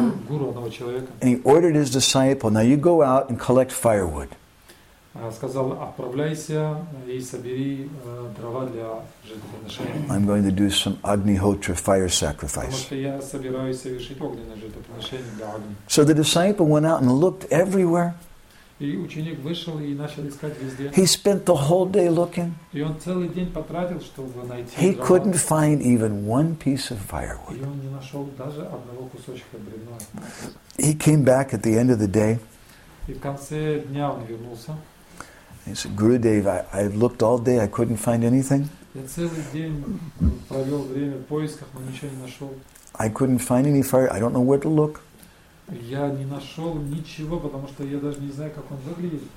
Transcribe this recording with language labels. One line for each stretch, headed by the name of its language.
English: And he ordered his disciple, "Now you go out and collect firewood."
Russian: Сказал, отправляйся и собери дрова для жертвоприношения.
English: I'm going to do some Agnihotra fire sacrifice.
Russian: Потому что я собираюсь совершить огненное жертвоприношение для огня.
English: So the disciple went out and looked everywhere.
Russian: И ученик вышел и начал искать везде.
English: He spent the whole day looking.
Russian: И он целый день потратил, чтобы найти дрова.
English: He couldn't find even one piece of firewood.
Russian: И он не нашел даже одного кусочка бревна.
English: He came back at the end of the day.
Russian: И в конце дня он вернулся.
English: He said, "Gurudev, I looked all day, I couldn't find anything.
Russian: Я целый день провел время в поисках, но ничего не нашел.
English: I couldn't find any fire. I don't know where to look."
Russian: Я не нашел ничего, потому что я даже не знаю, как он выглядит.